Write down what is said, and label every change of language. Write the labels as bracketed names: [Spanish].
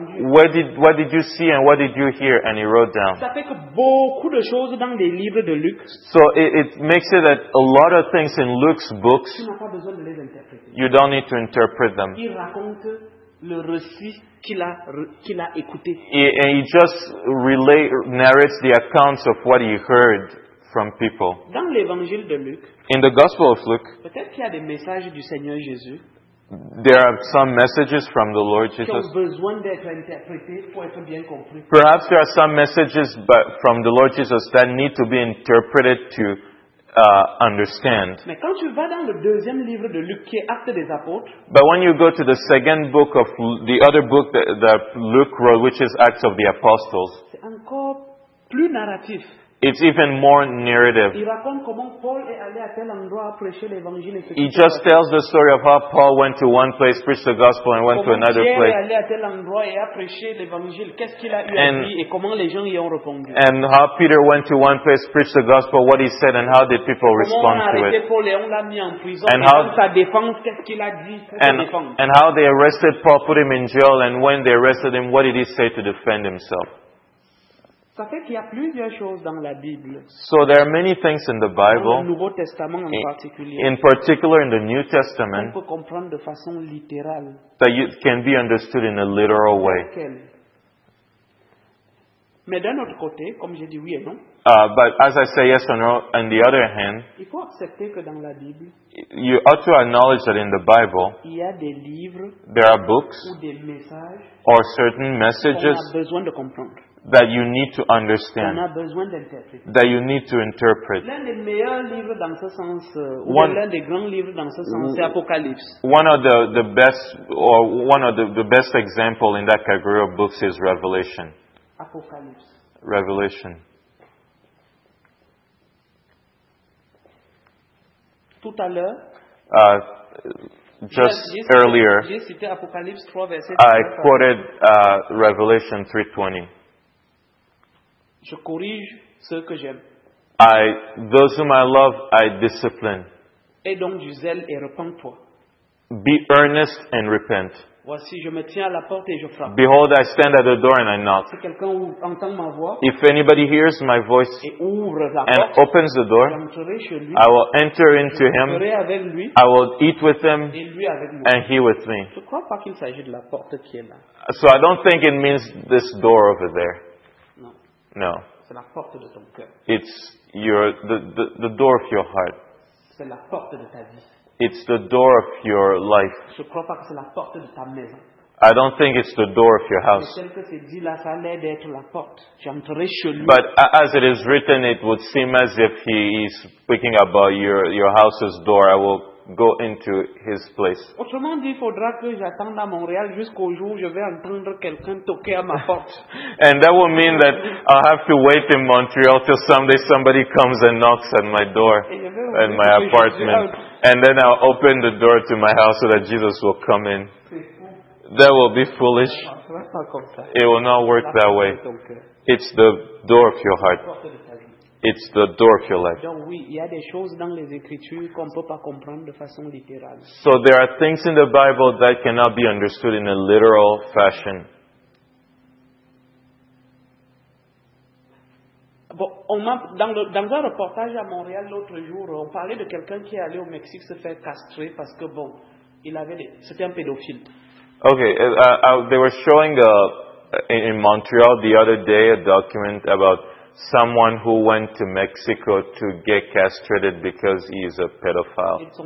[English] What did you see and what did you hear? And he wrote down. So it makes it that a lot of things in Luke's books, you don't need to interpret them. [French] Le récit qu'il a écouté. [English] And he just narrates the accounts of what he heard from people. [French] Dans l'évangile de Luc, [English] in the Gospel of Luke, [French] peut-être qu'il y a des messages du Seigneur Jésus. [English] There are some messages from the Lord Jesus. [French] Qui ont besoin d'être interprétés pour être bien compris. [English] Perhaps there are some messages from the Lord Jesus that need to be interpreted to understand. [French] Mais quand tu vas dans le deuxième livre de Luc, qui est Actes des Apôtres, [English] but when you go to the second book of the other book that Luke wrote, which is Acts of the Apostles, [French] c'est encore plus narratif. [English] It's even more narrative. [French] Il raconte comment Paul est allé à tel endroit prêcher l'évangile. [English] He just tells the story of how Paul went to one place, preached the gospel, and went [French] comment [English] to another [French] Pierre [English] place. [French] Comment Pierre est allé à tel endroit et a prêché l'évangile. Qu'est-ce qu'il a eu à dire et comment les gens y ont répondu. [English] And how Peter went to one place, preached the gospel, what he said, and how did people respond to it. [French] Comment on a arrêté Paul et on l'a mis en prison. [English] And how [French] sa défense, qu'est-ce qu'il a dit pour sa défense. [English] And how they arrested Paul, put him in jail, and when they arrested him, what did he say to defend himself. [French] Ça fait qu'il y a plusieurs choses dans la Bible. [English] So there are many things in the Bible. [French] Dans le Nouveau Testament en particulier. [English] In particular in the New Testament. [French] On peut comprendre de façon littérale. [English] That you can be understood in a literal way. [French] Mais d'un autre côté, comme j'ai dit oui et non. [English] But as I say yes or no, on the other hand. [French] Il faut accepter que dans la Bible. [English] You ought to acknowledge that in the Bible. [French] Il y a des livres. [English] There are books. [French] Ou des messages. [English] Or certain messages. [French] On a besoin de comprendre. [English] That you need to understand. [French] On a besoin d'interpréter. [English] That you need to interpret. [French] L'un des meilleurs livres dans ce sens, l'un des grands livres dans ce sens, c'est Apocalypse. [English] One of the best, or one of the best example in that category of books is Revelation. [French] Apocalypse. [English] Revelation. [French] Tout à l'heure. [English] Just earlier. [French] J'ai cité Apocalypse 3, verset [English] 20. I quoted Revelation 3:20. [French] Je corrige ceux que j'aime. [English] Those whom I love, I discipline. [French] Et donc du zèle et repens-toi. [English] Be earnest and repent. [French] Voici, je me tiens à la porte et je frappe. [English] Behold, I stand at the door and I knock. [French] Si quelqu'un entend ma voix, [English] if anybody hears my voice [French] et ouvre la [English] and [French] porte, [English] opens the door, [French] j'entrerai chez lui, [English] I will enter into him, [French] avec lui, [English] I will eat with him [French] et lui avec moi. [English] And he with me. [French] Je crois pas qu'il s'agit de la porte qui est là. [English] So I don't think it means this door over there. No. [French] C'est la porte de ton cœur. [English] It's the door of your heart. [French] C'est la porte de ta vie. [English] It's the door of your life. [French] Je crois pas que c'est la porte de ta maison. [English] I don't think it's the door of your house. But as it is written, it would seem as if he is speaking about your house's door. I will go into his place. [French] Autrement dit, il faudra que j'attende à Montréal jusqu'au jour où je vais entendre quelqu'un toquer à ma porte. [English] And that will mean that I'll have to wait in Montreal till someday somebody comes and knocks at my door and my apartment. And then I'll open the door to my house so that Jesus will come in. That will be foolish. It will not work that way. It's the door of your heart. It's the door of your life. So there are things in the Bible that cannot be understood in a literal fashion. [French] Dans un reportage à Montréal l'autre jour, on parlait de quelqu'un qui est allé au Mexique se faire castrer parce que bon, il avait c'était un pédophile. [English] Okay, they were showing in Montreal the other day a document about someone who went to Mexico to get castrated because he is a pedophile.